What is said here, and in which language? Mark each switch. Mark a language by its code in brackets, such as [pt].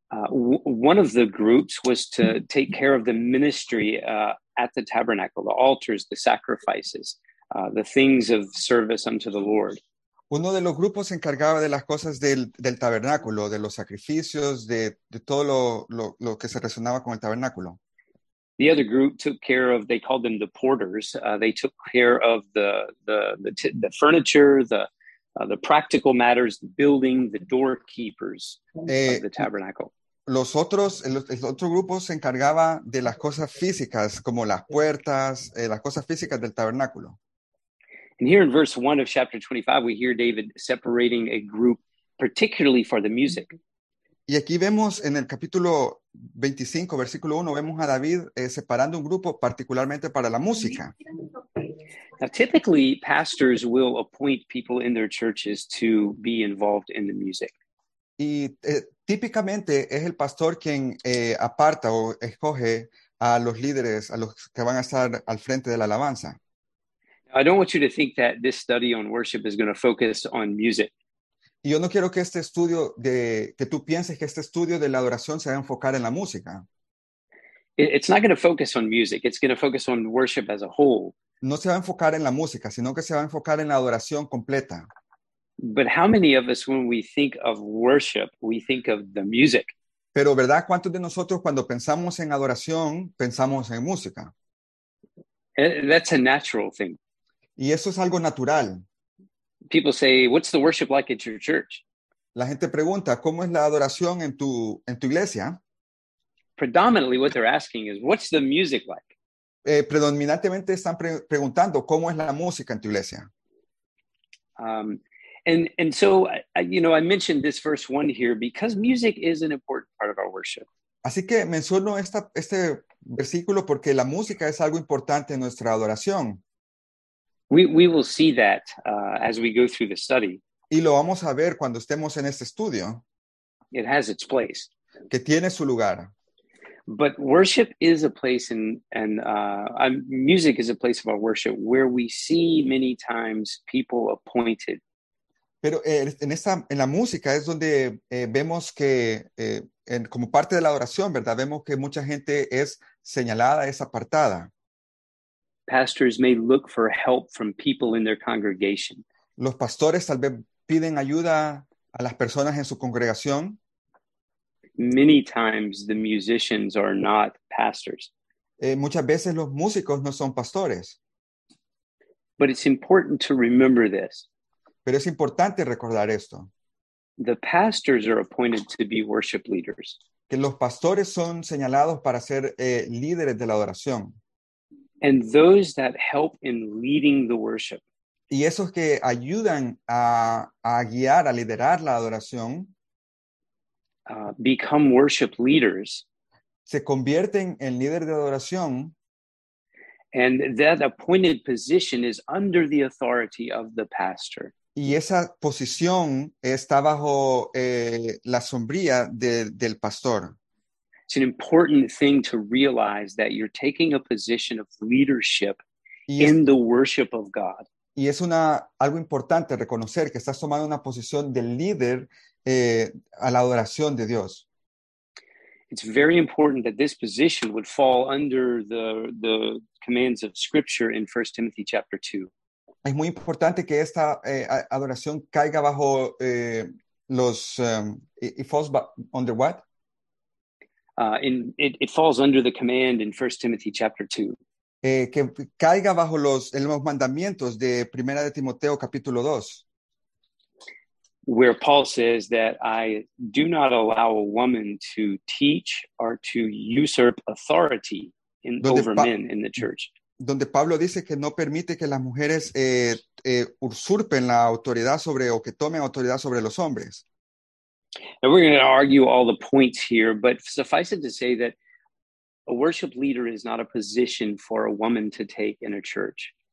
[en] One of the groups was to take care of the ministry at the tabernacle, the altars, the sacrifices, the things of service unto the Lord. [es] Uno de los grupos se encargaba de las cosas del tabernáculo, de los sacrificios, de todo lo que se relacionaba con el tabernáculo. [en] The other group took care of, they called them the porters. They took care of the furniture, the practical matters, the building, the doorkeepers of the tabernacle. [es] El otro grupo se encargaba de las cosas físicas, como las puertas, las cosas físicas del tabernáculo. [en] And here in verse 1 of chapter 25, we hear David separating a group particularly for the music. [es] Y aquí vemos en el capítulo 25, versículo 1, vemos a David separando un grupo particularmente para la música. [en] Now, typically, pastors will appoint people in their churches to be involved in the music. [es] Y típicamente es el pastor quien aparta o escoge a los líderes, a los que van a estar al frente de la alabanza. [en] I don't want you to think that this study on worship is going to focus on music. [es] Yo no quiero que este estudio que tú pienses que este estudio de la adoración se va a enfocar en la música. [en] It's not going to focus on music. It's going to focus on worship as a whole. [es] No se va a enfocar en la música, sino que se va a enfocar en la adoración completa. [en] But how many of us, when we think of worship, we think of the music? [es] Pero, ¿verdad? ¿Cuántos de nosotros, cuando pensamos en adoración, pensamos en música? [en] That's a natural thing. [es] Y eso es algo natural. [en] People say, what's the worship like at your church? [es] La gente pregunta, ¿cómo es la adoración en tu iglesia? [en] Predominantly what they're asking is, what's the music like? [es] Predominantemente están preguntando cómo es la música en tu iglesia. [en] And so, you know, I mentioned this verse one here because music is an important part of our worship. [es] Así que menciono este versículo porque la música es algo importante en nuestra adoración. [en] We will see that as we go through the study. [es] Y lo vamos a ver cuando estemos en este estudio. [en] It has its place. [es] Que tiene su lugar. [en] But worship is a place music is a place of our worship where we see many times people appointed. [es] Pero en la música es donde vemos que como parte de la adoración, ¿verdad? Vemos que mucha gente es señalada, es apartada. [en] Pastors may look for help from people in their congregation. [es] Los pastores tal vez piden ayuda a las personas en su congregación. [en] Many times the musicians are not pastors. [es] Muchas veces los músicos no son pastores. [en] But it's important to remember this. [es] Pero es importante recordar esto. [en] The pastors are appointed to be worship leaders. [es] Que los pastores son señalados para ser líderes de la adoración. [en] And those that help in leading the worship. [es] Y esos que ayudan a guiar, a liderar la adoración. [en] Become worship leaders. [es] Se convierten en líder de adoración. [en] And that appointed position is under the authority of the pastor. [es] Y esa posición está bajo la sombrilla del pastor. [en] It's an important thing to realize that you're taking a position of leadership in the worship of God. [es] Y es algo importante reconocer que estás tomando una posición de líder a la adoración de Dios. [en] It's very important that this position would fall under the commands of Scripture in 1 Timothy chapter 2. [es] Es muy importante que esta adoración caiga bajo los y [en] falls under what? It falls under the command in 1 Timothy chapter 2. [es] Que caiga bajo los mandamientos de Primera de Timoteo capítulo 2. [en] Where Paul says that I do not allow a woman to teach or to usurp authority over men in the church. [es] Donde Pablo dice que no permite que las mujeres usurpen la autoridad sobre o que tomen autoridad sobre los hombres. [en] And we're going to argue all the points here, but suffice it to say that a worship leader is not a position for a woman to take in a church.